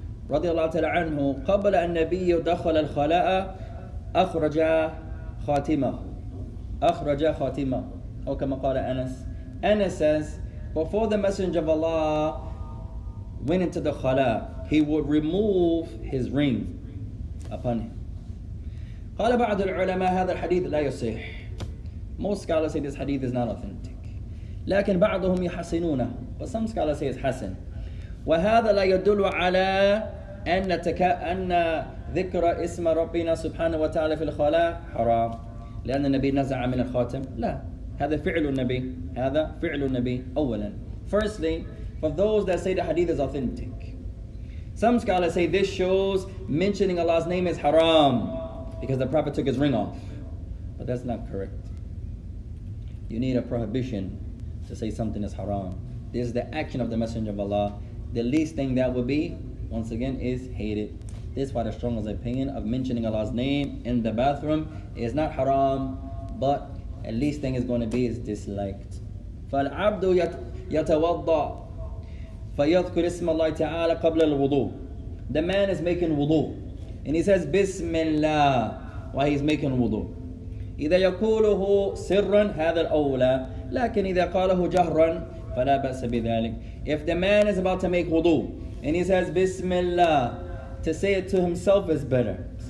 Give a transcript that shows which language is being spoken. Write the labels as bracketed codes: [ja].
[ar] رضي الله تعالى عنه قبل النبي دخل الخلاء أخرج خاتمه أو كما قال أنس [en] Anas says before the messenger of Allah went into the خلاء he would remove his ring upon him [ar] قال بعض العلماء هذا الحديث لا يصح [en] Most scholars say this hadith is not authentic. [ar] لكن بعضهم يحسنونه. [en] But some scholars say it's حسن. [ar] وهذا لا يدل على أن ذكر اسم ربنا سبحانه وتعالى في الخلاء حرام. لأن النبي نزع من الخاتم. لا. هذا فعل النبي. هذا فعل النبي أولا. [en] Firstly, for those that say the hadith is authentic. Some scholars say this shows mentioning Allah's name is haram. Because the Prophet took his ring off. But that's not correct. You need a prohibition to say something is haram. This is the action of the Messenger of Allah. The least thing that would be, once again, is hated. This is why the strongest opinion of mentioning Allah's name in the bathroom is not haram, but the least thing is going to be is disliked. [ar] فَالْعَبْدُ يَتَوَضَّعُ فَيَذْكُرِ اسْمَ اللَّهِ تَعَالَى قَبْلَ الْوُضُوءِ [en] The man is making wudu. And he says, Bismillah, while he's making wudu. [ar] إذا يقوله سرا هذا الأولى لكن إذا قاله جهرا فلا بأس بذلك [en] If the man is about to make wudu and he says Bismillah to say it to himself is better